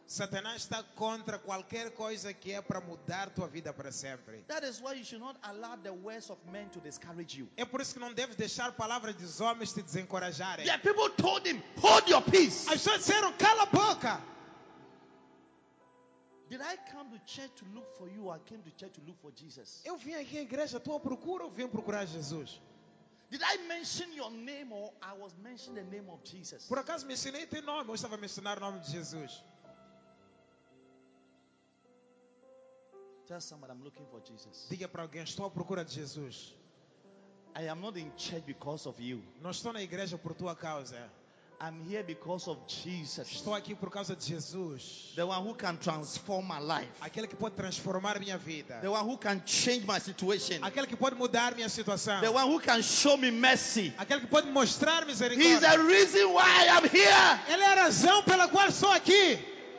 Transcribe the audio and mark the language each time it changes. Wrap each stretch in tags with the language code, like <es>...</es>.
<pt>Satanás está contra qualquer coisa que é para mudar tua vida para sempre.</pt> <en>That is why you should not allow the words of men to discourage you.</en> <pt>É por isso que não deves deixar palavras dos homens te desencorajarem.</pt> <en>Yeah, people told him, hold your peace.</en> <pt>As pessoas disseram, cala a boca.</pt> <en>Did I come to church to look for you, or I came to church to look for Jesus?</en> <pt>Eu vim aqui à igreja à tua procura ou vim procurar Jesus?</pt> <en>Did I mention your name or I was mentioning the name of Jesus?</en> <pt>Por acaso mencionei teu nome ou estava a mencionar o nome de Jesus?</pt> <en>Tell somebody I'm looking for Jesus.</en> <pt>Diga para alguém, estou à procura de Jesus.</pt> <en>I am not in church because of you.</en> <pt>Não estou na igreja por tua causa.</pt> <en>I'm here because of Jesus.</en> <pt>Estou aqui por causa de Jesus.</pt> <en>The one who can transform my life.</en> <pt>Aquele que pode transformar minha vida.</pt> <en>The one who can change my situation.</en> <pt>Aquele que pode mudar minha situação.</pt> <en>The one who can show me mercy.</en> <pt>Aquele que pode mostrar misericórdia.</pt> <en>He is the reason why I am here.</en> <pt>Ele é a razão pela qual estou aqui.</pt>